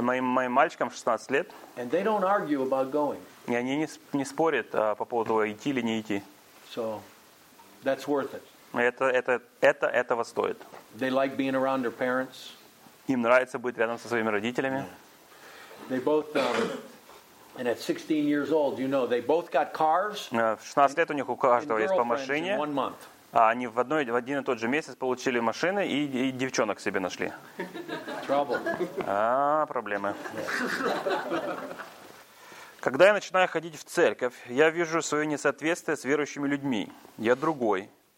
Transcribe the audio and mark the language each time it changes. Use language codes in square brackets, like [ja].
[ru] Моим мальчикам 16 лет. [en] And they don't argue about going. [ru] И они не спорят по поводу идти или не идти. [en] So that's worth it. [ru] Это этого стоит. [en] They like being around their parents. [ru] Им нравится быть рядом со своими родителями. [en] They both and at 16 years old, you know, they both got cars. [ru] В 16 лет у них у каждого есть по машине. А они в один и тот же месяц получили машины и девчонок себе нашли. [en] Trouble. [ru] Проблемы. Когда я начинаю ходить в церковь, я вижу свое несоответствие с верующими людьми. Я другой.